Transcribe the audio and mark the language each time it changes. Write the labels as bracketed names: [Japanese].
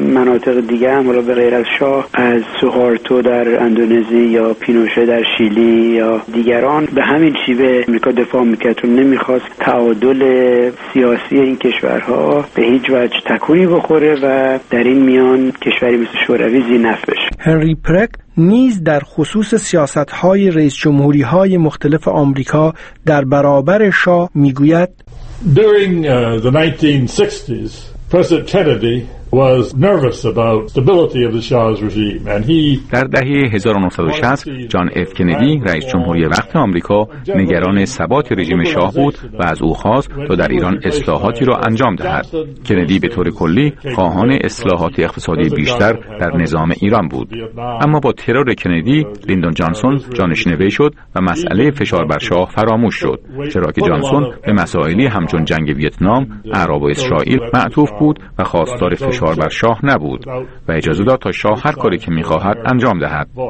[Persian] مناطق دیگه هم حالا به غیر از شاه، از سوهارتو در اندونزی یا پینوشه در شیلی یا دیگران به همین شیوه آمریکا دفاع میکرد و نمیخواست تعادل سیاسی این کشورها به هیچ وجه تکونی بخوره و در این میان کشوری مثل شوروی ذی‌نفع بشه. هنری پرک نیز در خصوص سیاست‌های رئیس جمهوری‌های مختلف آمریکا در برابر شاه میگوید [English] During the 1960s, President Kennedy was nervous about stability of the Shah's regime and he [Persian] در دهه 1960 جان اف کندی رئیس جمهوری وقت آمریکا نگران ثبات رژیم شاه بود و از او خواست تا در ایران اصلاحاتی را انجام دهد. کندی به طور کلی خواهان اصلاحات اقتصادی بیشتر در نظام ایران بود، اما با ترور کندی لیندون جانسون جانشین وی شد و مسئله فشار بر شاه فراموش شد، چرا که جانسون به مسائلی همچون جنگ ویتنام، عرب و اسرائیل معطوف بود و خواستار فشار بر شاه نبود و اجازه داد تا شاه هر کاری که می‌خواهد انجام دهد.